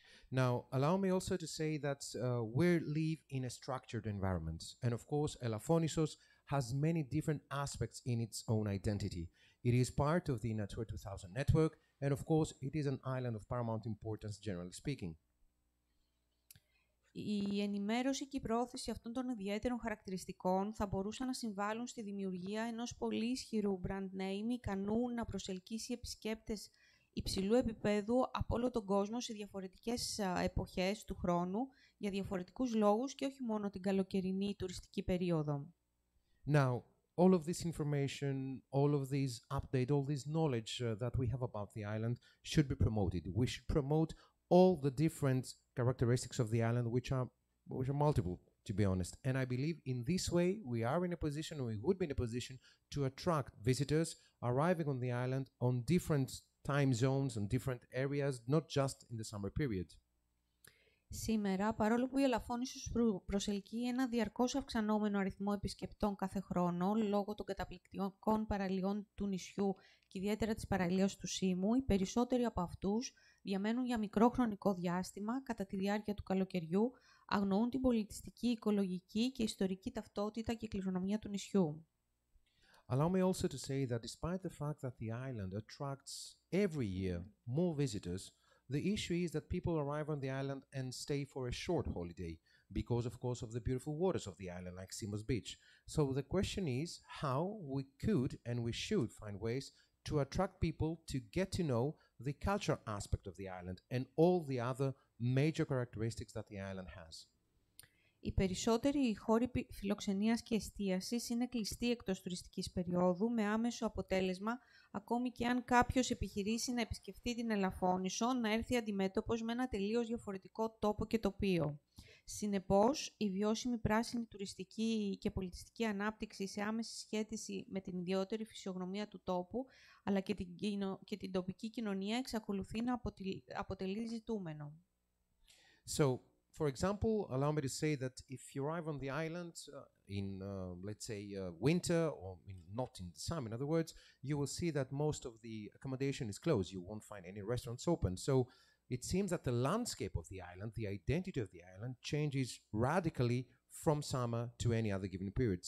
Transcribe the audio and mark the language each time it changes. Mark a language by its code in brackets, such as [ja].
[en] Now, allow me also to say that we live in a structured environment. And of course, Elafonisos has many different aspects in its own identity. It is part of the Natura 2000 network, and of course, it is an island of paramount importance, generally speaking. [el] Η ενημέρωση και η προώθηση αυτών των ιδιαίτερων χαρακτηριστικών θα μπορούσαν να συμβάλλουν στη δημιουργία ενός πολύ ισχυρού brand name ικανού να προσελκύσει επισκέπτες υψηλού επίπεδου από όλο τον κόσμο σε διαφορετικές εποχές του χρόνου για διαφορετικούς λόγους και όχι μόνο την καλοκαιρινή τουριστική περίοδο. [en] Now, all of this information, all of this update, all this knowledge that we have about the island should be promoted. We should promote all the different characteristics of the island, which are multiple, to be honest. And I believe in this way, we are in a position, or we would be in a position, to attract visitors arriving on the island on different time zones and different areas, not just in the summer period. [el] Σήμερα, παρόλο που η Ελαφώνησος προσελκύει ένα διαρκώς αυξανόμενο αριθμό επισκεπτών κάθε χρόνο, λόγω των καταπληκτικών παραλίων του νησιού και ιδιαίτερα της παραλίας του Σίμου, οι περισσότεροι από αυτούς διαμένουν για μικρό χρονικό διάστημα κατά τη διάρκεια του καλοκαιριού, αγνοούν την πολιτιστική, οικολογική και ιστορική ταυτότητα και κληρονομιά του νησιού. [en] Allow me also to say that despite the fact that the island attracts every year more visitors, the issue is that people arrive on the island and stay for a short holiday because, of course, of the beautiful waters of the island, like Simos Beach. So the question is how we could and we should find ways to attract people to get to know the cultural aspect of the island and all the other major characteristics that the island has. [el] Οι περισσότεροι χώροι φιλοξενίας και εστίασης είναι κλειστοί εκτός τουριστικής περιόδου, με άμεσο αποτέλεσμα, ακόμη και αν κάποιος επιχειρήσει να επισκεφτεί την Ελαφώνησο, να έρθει αντιμέτωπος με ένα τελείως διαφορετικό τόπο και τοπίο. Συνεπώς, η βιώσιμη πράσινη τουριστική και πολιτιστική ανάπτυξη σε άμεση σχέση με την ιδιότερη φυσιογνωμία του τόπου, αλλά και την τοπική κοινωνία, εξακολουθεί να αποτελεί ζητούμενο. [en] For example, allow me to say that if you arrive on the island in, let's say, winter, or not in the summer, in other words, you will see that most of the accommodation is closed. You won't find any restaurants open. So it seems that the landscape of the island, the identity of the island, changes radically from summer to any other given period.